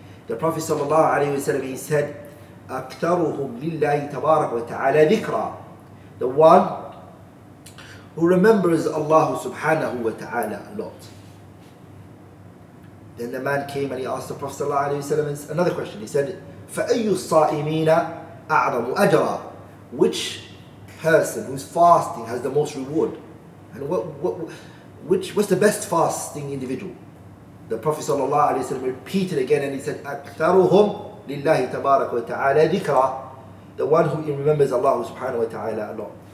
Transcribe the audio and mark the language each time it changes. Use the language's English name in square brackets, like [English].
[English] The Prophet [Arabic] sallallahu alayhi wa sallam, [English] he said, [Arabic] أكثرهم لله تبارك وتعالى ذكرى. [English] The one who remembers Allah subhanahu wa ta'ala a lot. Then the man came and he asked the Prophet sallallahu alayhi wa sallam another question. He said, [Arabic] فأي الصائمين أعظم أجرا. [English] Which person who's fasting has the most reward? And what's the best fasting individual? The Prophet sallallahu alayhi wa sallam repeated again and he said, [Arabic] أكثرهم لله تبارك وتعالى ذكرى. [English] The one who remembers Allah subhanahu wa ta'ala a lot.